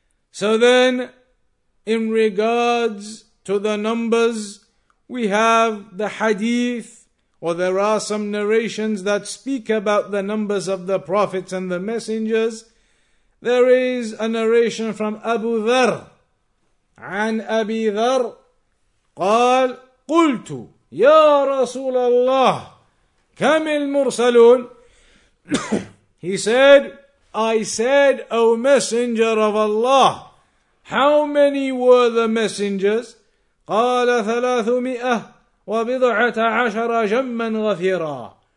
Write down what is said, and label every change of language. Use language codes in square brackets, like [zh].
[en] So then, in regards to the numbers, we have the hadith, or there are some narrations that speak about the numbers of the prophets and the messengers. There is a narration from Abu Dharr. [ar] An Abi Dharr, قال قلت يا رسول الله كم المرسلون. [en] He said, I said, O messenger of Allah, how many were the messengers? [ar] قال ثلاثمائة وبضعة عشر جما غفيرا.